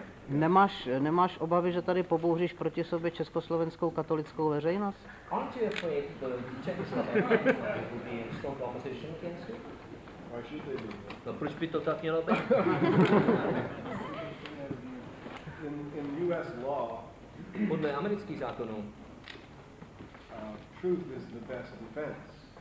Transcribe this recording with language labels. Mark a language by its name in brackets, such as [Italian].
[Czech] Nemáš? Nemáš obavy, že tady pobouříš proti sobě československou katolickou veřejnost? [English] Aren't you afraid that the Czechoslovak would be in strong opposition against you? Why should they do [Czech] that? No, proč by to tak mělo být? [English] In US law, [Czech] podle amerických zákonů, [English] truth is the best defense.